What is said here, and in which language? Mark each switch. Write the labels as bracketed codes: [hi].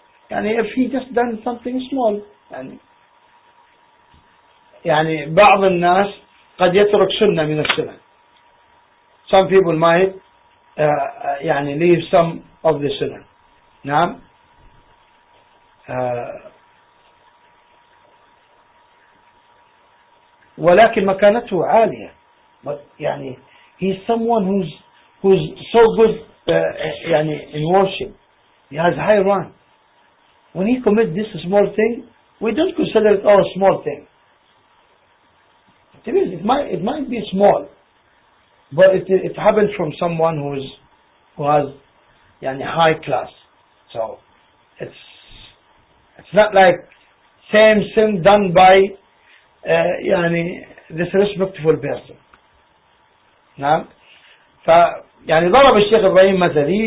[en] And if he just done something small, [ar] يعني بعض الناس قد يترك سنة من السنة. [en] Some people might. يعني leave some of the sunnah. [ar] نعم. ولكن مكانته عالية. [en] But يعني he's someone who's so good يعني in worship. He has high rank. When he commits this small thing, we don't consider it all a small thing. It might be small, but it happens from someone who has يعني high class. So it's not like same sin done by يعني this respectful person. [ar] نعم. ف يعني ضرب الشيخ إبراهيم مثل.